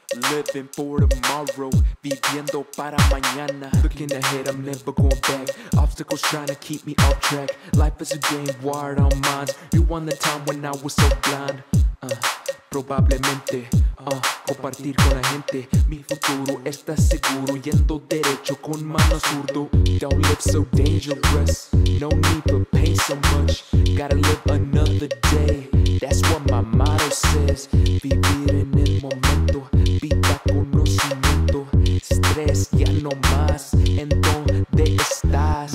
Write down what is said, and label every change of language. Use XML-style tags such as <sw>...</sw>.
<en>Living for tomorrow,</en> <es>viviendo para mañana.</es> <en>Looking ahead, I'm never going back. Obstacles trying to keep me off track. Life is a game wired on minds. You won the time when I was so blind.</en> <es>Probablemente, compartir con la gente. Mi futuro está seguro, yendo derecho con mano zurdo.</es> <en>Don't live so dangerous, no need to pay so much. Gotta live another day, that's what my motto says.</en> <es>Vivir en el momento, vida conocimiento. Stress ya no más, ¿en dónde estás?</es>